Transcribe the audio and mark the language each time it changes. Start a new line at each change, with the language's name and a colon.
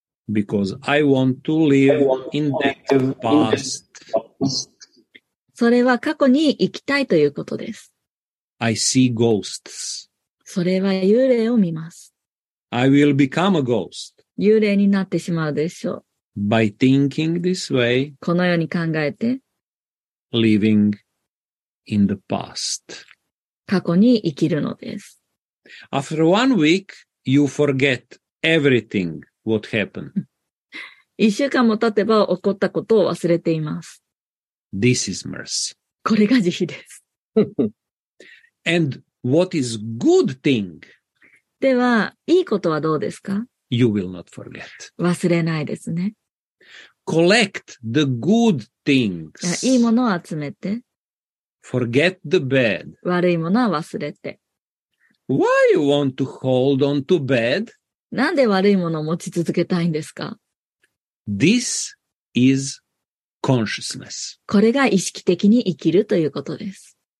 English: Because I want to live in the past.
Japanese: それは過去に行きたいということです。
English: I see ghosts.
Japanese: それは幽霊を見ます。
English: I will become a ghost.
Japanese: 幽霊になってしまうでしょう。
English: By thinking this way,
Japanese: このように考えて、
English: living in the past.
Japanese: 過去に生きるのです。
English: After 1 week, you forget everything what happened.
Japanese: 一週間も経てば起こったことを忘れています。
English: This is mercy.
Japanese: これが慈悲です。
English: And what is good thing?
Japanese: では、いいことはどうですか?
English: You will not forget.
Japanese: 忘れないですね。
English: Collect the good things.
Japanese: いいものを集めて。
English: Forget the bad.
Japanese: 悪いものは忘れて。
English: Why you want to hold on to bad?
Japanese: なんで悪いものを持ち続けたいんですか?
English: This is consciousness.
Japanese: これが意識的に生きるということです。